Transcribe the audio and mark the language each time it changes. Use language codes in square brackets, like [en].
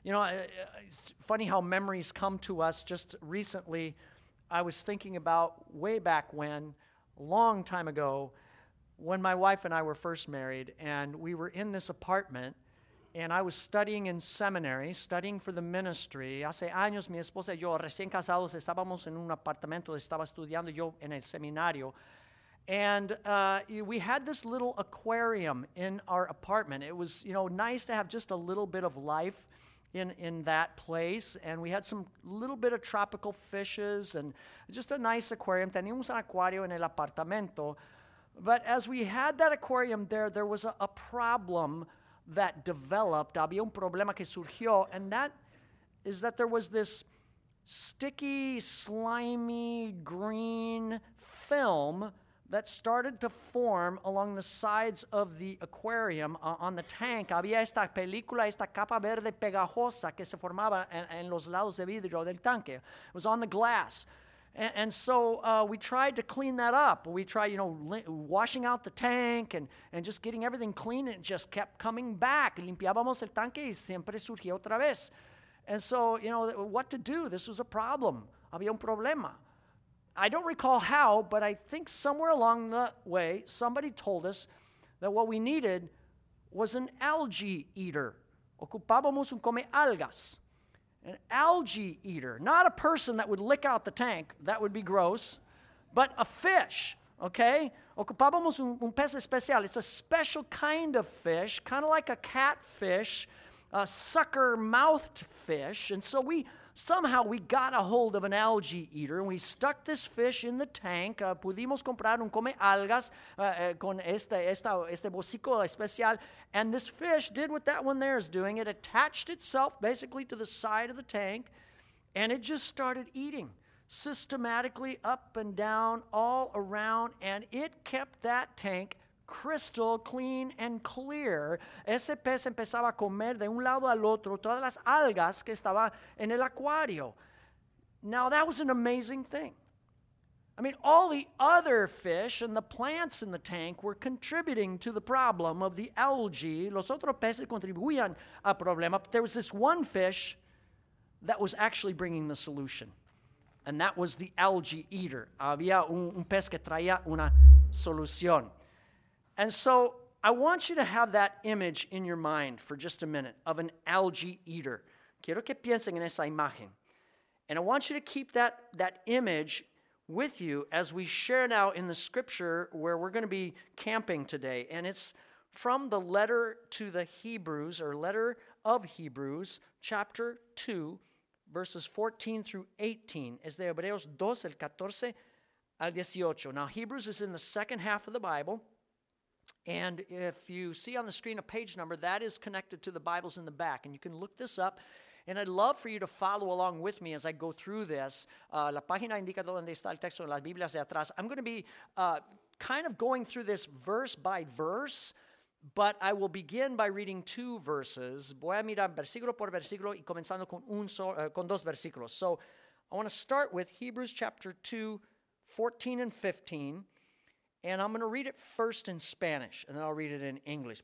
[en] You know, it's funny how memories come to us. Just recently, I was thinking about way back when, a long time ago, when my wife and I were first married, and we were in this apartment, and I was studying in seminary, studying for the ministry. [es] Hace años, mi esposa y yo, recién casados, estábamos en un apartamento, estaba estudiando yo en el seminario. [en] And we had this little aquarium in our apartment. It was, you know, nice to have just a little bit of life in that place. And we had some little bit of tropical fishes and just a nice aquarium. [es] Teníamos un acuario en el apartamento. [en] But as we had that aquarium there, there was a problem that developed. [es] Había un problema que surgió. [en] And that is that there was this sticky, slimy, green film that started to form along the sides of the aquarium on the tank. [es] Había esta película, esta capa verde pegajosa que se formaba en los lados de vidrio del tanque. [en] It was on the glass. And so we tried to clean that up. We tried, you know, washing out the tank and just getting everything clean, and it just kept coming back. [es] Limpiábamos el tanque y siempre surgía otra vez. [en] And so, you know, what to do? This was a problem. [es] Había un problema. [en] I don't recall how, but I think somewhere along the way, somebody told us that what we needed was an algae eater. [es] Ocupábamos un come algas. [en] An algae eater. Not a person that would lick out the tank. That would be gross. But a fish, okay? [es] Ocupábamos un pez especial. [en] It's a special kind of fish, kind of like a catfish, a sucker-mouthed fish. And so we got a hold of an algae eater, and we stuck this fish in the tank. [es] Pudimos comprar un come algas con este bocico especial. [en] And this fish did what that one there is doing. It attached itself basically to the side of the tank, and it just started eating systematically up and down all around, and it kept that tank crystal clean and clear. [es] Ese pez empezaba a comer de un lado al otro todas las algas que estaba en el acuario. [en] Now that was an amazing thing. I mean, all the other fish and the plants in the tank were contributing to the problem of the algae. [es] Los otros peces contribuían al problema, [en] but there was this one fish that was actually bringing the solution, and that was the algae eater. [es] Había un pez que traía una solución. [en] And so I want you to have that image in your mind for just a minute of an algae eater. [es] Quiero que piensen en esa imagen. [en] And I want you to keep that image with you as we share now in the scripture where we're going to be camping today. And it's from the letter to the Hebrews, or letter of Hebrews, chapter 2, verses 14 through 18. [es] Es de Hebreos 2, el 14 al 18. [en] Now Hebrews is in the second half of the Bible. And if you see on the screen a page number, that is connected to the Bibles in the back. And you can look this up. And I'd love for you to follow along with me as I go through this. [es] La página indica donde está el texto en las Biblias de atrás. [en] I'm going to be kind of going through this verse by verse, but I will begin by reading two verses. [es] Voy a mirar versículo por versículo y comenzando con dos versículos. [en] So I want to start with Hebrews chapter 2, 14 and 15. And I'm going to read it first in Spanish, and then I'll read it in English.